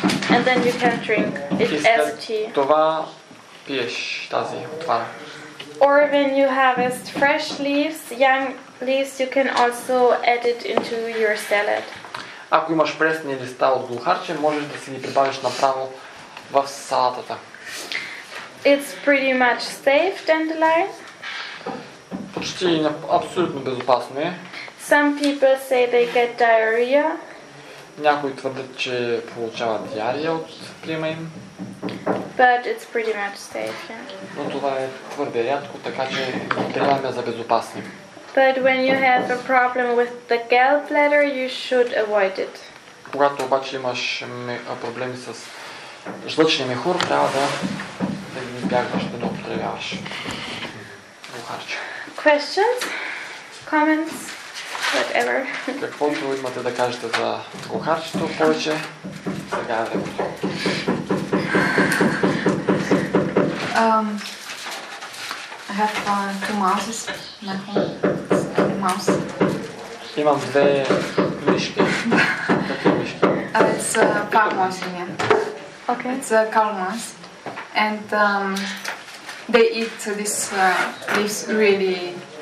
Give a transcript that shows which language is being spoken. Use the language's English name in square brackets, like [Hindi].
[English] And then you can drink it as tea. [Bulgarian] Това пиеш тази отвара. [English] Or when you harvest fresh leaves, young leaves, you can also add it into your salad. [Bulgarian] Ако имаш пресни листа от глухарче, можеш да си ги прибавиш направо в салатата. [English] It's pretty much safe, dandelion. [Bulgarian] Почти абсолютно безопасно е. [English] Some people say they get diarrhea. [Bulgarian] Някои твърдят, че получават диария от приема им. [English] But it's pretty much safe, yeah. [Bulgarian] Но това е твърде рядко, така че трябваме за безопасни. [English] But when you have a problem with the gallbladder, you should avoid it. [Bulgarian] Когато обаче имаш проблеми с жлъчния мехур, трябва да не бягаш, да не употребяваш глухарче. [English] Questions? Comments? Whatever. [Bulgarian] Каквото имате да кажете за глухарчето повече, сега е времето. [English] I have two mouses at home. Mouse. [Bulgarian] Имам две мишки. [English] It's a cow mouse in here. Okay. It's a cow mouse. And they eat this leaves really.